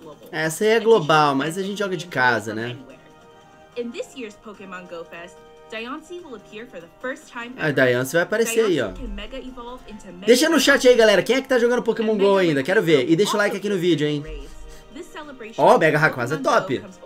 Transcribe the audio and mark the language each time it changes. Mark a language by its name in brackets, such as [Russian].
[Portuguese] Essa aí é global, mas a gente joga de casa, né? [English] In this year's Pokémon GO Fest, Diancie will appear for the first time. [Portuguese] Ah, Diancie vai aparecer aí, ó. Deixa no chat aí, galera. Quem é que tá jogando Pokémon GO ainda? Quero ver. E deixa o like aqui no vídeo, hein? Ó, Mega Rayquaza é top.